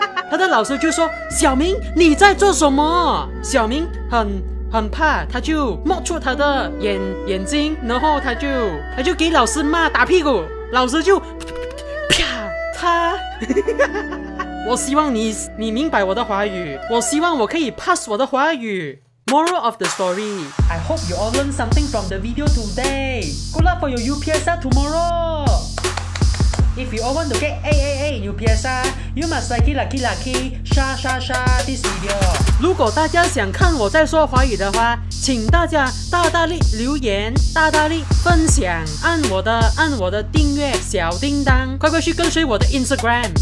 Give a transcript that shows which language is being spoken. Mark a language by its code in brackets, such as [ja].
[zh] 他的老师就说, 小明,你在做什么?小明很怕, 他就摸出他的眼睛, 然后他就给老师骂,打屁股, 老师就, 啪, 他, 我希望你明白我的华语, 我希望我可以 pass 我的华语。 [en] Moral of the story, I hope you all learned something from the video today. Good luck for your UPSR tomorrow. If you all want to get AAA in UPSR, you must lucky, sha this video. [zh] 如果大家想看我在说华语的话, 请大家大大力留言，大大力分享， 按我的订阅, 小叮当, 快快去跟随我的 Instagram.